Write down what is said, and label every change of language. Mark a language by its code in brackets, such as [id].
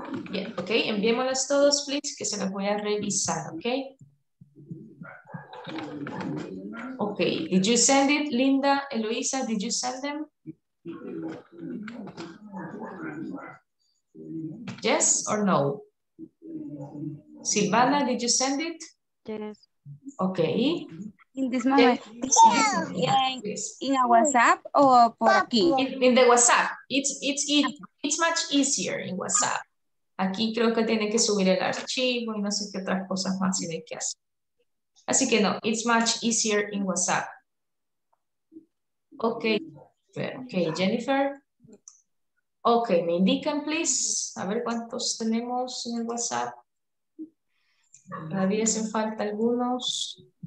[es] Bien, okay, enviémoslas todos, please, que se las voy a revisar, okay? [en] Okay, did you send it, Linda, Eloisa, did you send them? Yes or no? Silvana, did you send it? Yes. Okay. In this moment, yeah. In a WhatsApp or [es] por aquí? [en] In the WhatsApp, it's much easier in WhatsApp. [es] Aquí creo que tiene que subir el archivo y no sé qué otras cosas más tiene que hacer. Así que no, [en] it's much easier in WhatsApp. Okay, okay, Jennifer. Okay, [es] me indican, [en] please. [es] A ver cuántos tenemos en el WhatsApp. ¿Todavía hacen falta algunos?